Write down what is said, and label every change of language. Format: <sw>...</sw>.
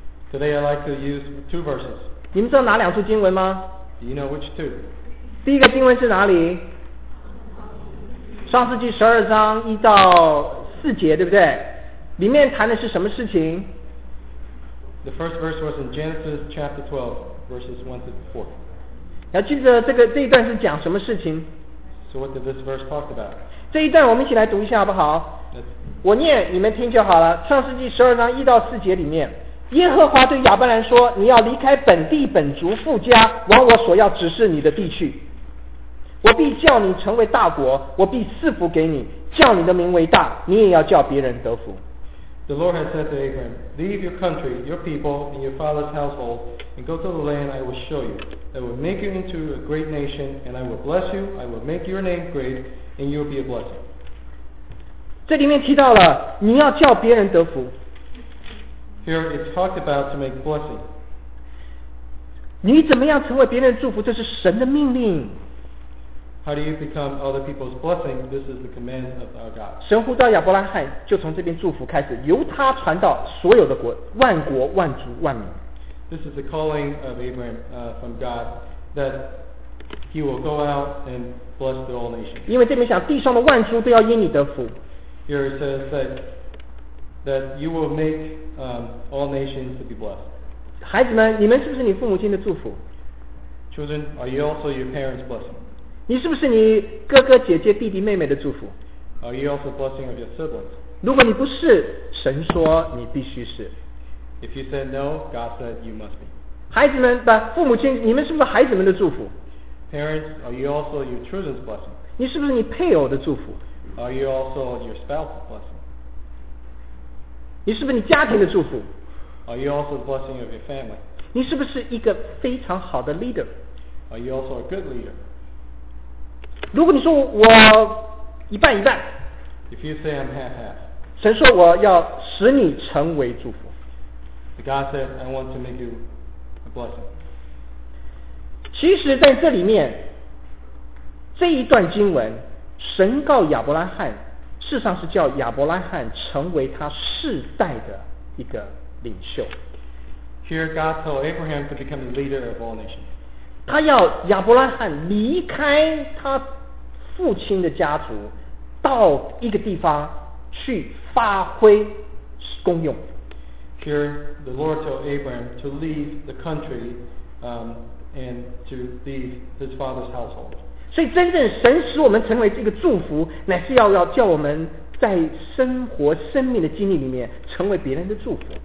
<en>Today I'd like to use two verses.</en> <zh>你们知道哪两处经文吗？</zh> <en>Do you know which two?</en> <zh>第一个经文是哪里？创世纪十二章一到四节，对不对？里面谈的是什么事情？</zh> <en>The first verse was in Genesis chapter 12, verses 1 to 4.</en> <zh>你要记得这一段是讲什么事情。</zh> <en>So what did this verse talk about?</en> <zh>这一段我们一起来读一下好不好？</zh> <en>Let's...</en> <zh>我念你们听就好了。创世纪十二章一到四节里面，耶和华对亚伯兰说，你要离开本地本族父家，往我所要指示你的地去。我必叫你成为大国，我必赐福给你，叫你的名为大，你也要叫别人得福。</zh> <en>The Lord has said to Abraham, Leave your country, your people, and your father's household, and go to the land I will show you. I will make you into a great nation, and I will bless you, I will make your name great, and you will be a blessing.</en> <zh>这里面提到了，你要叫别人得福。</zh> <en>Here it's talked about to make blessing.</en> <zh>你怎么样成为别人祝福，这是神的命令。</zh> <en>How do you become other people's blessing? This is the command of our God.</en> <zh>神呼召亚伯拉罕，就从这边祝福开始，由他传到所有的国、万国、万族、万民。</zh> <en>This is the calling of Abraham, from God, that he will go out and bless the all nations.</en> <zh>因为这边想，地上的万族都要因你得福。</zh> <en>Here it says that you will make all nations to be blessed.</en> <zh>孩子们，你们是不是你父母亲的祝福</zh> <en>？Children, are you also your parents' blessing?</en> <zh>你是不是你哥哥姐姐弟弟妹妹的祝福？</zh> <en>Are you also blessing of your siblings?</en> <zh>如果你不是，神说你必须是。</zh> <en>If you said no, God said you must be.</en> <zh>孩子们，不，父母亲，你们是不是孩子们的祝福？</zh> <en>Parents, are you also your children's blessing?</en> <zh>你是不是你配偶的祝福？</zh> <en>Are you also your spouse's blessing?</en> <zh>你是不是你家庭的祝福？</zh> <en>Are you also blessing of your family?</en> <zh>你是不是一个非常好的 leader?</zh> <en>Are you also a good leader?</en> <zh>如果你说我一半一半，</zh> <en>If you say I'm half half,</en> <zh>神说我要使你成为祝福。</zh> <en>God said, I want to make you a blessing.</en> <zh>其实在这里面，这一段经文，神告亚伯拉罕，事实上是叫亚伯拉罕成为他世代的一个领袖。</zh> <en>Here God told Abraham to become the leader of all nations.</en> <zh>他要亚伯拉罕离开他父亲的家族，到一个地方去发挥功用。</zh> <en>Here the Lord told Abraham to leave the country, and to leave his father's household.</en> <zh>所以，真正神使我们成为这个祝福，乃是要叫我们在生活、生命的经历里面成为别人的祝福。</zh>